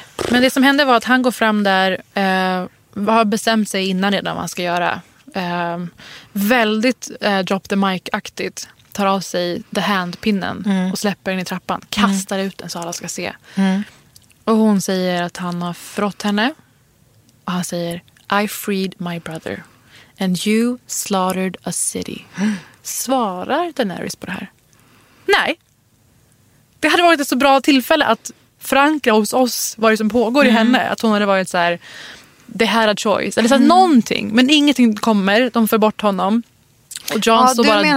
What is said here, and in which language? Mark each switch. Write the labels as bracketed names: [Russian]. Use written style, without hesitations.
[Swedish] Men det som hände var att han går fram där, har bestämt sig innan redan vad han ska göra. Väldigt [English] drop the mic- [Swedish] aktigt. Tar av sig the hand-pinnen och släpper den i trappan. Kastar ut den så alla ska se. Mm. Och hon säger att han har frått henne. Och han säger, [English] I freed my brother. And you slaughtered a city. [Swedish] Svarar Daenerys på det här? Nej. Det hade varit ett så bra tillfälle att förankra hos oss vad det som pågår i henne. Att hon hade varit så här, det här är choice. Eller så här, någonting. Men ingenting kommer. De för bort honom. Och Jon så bara dumt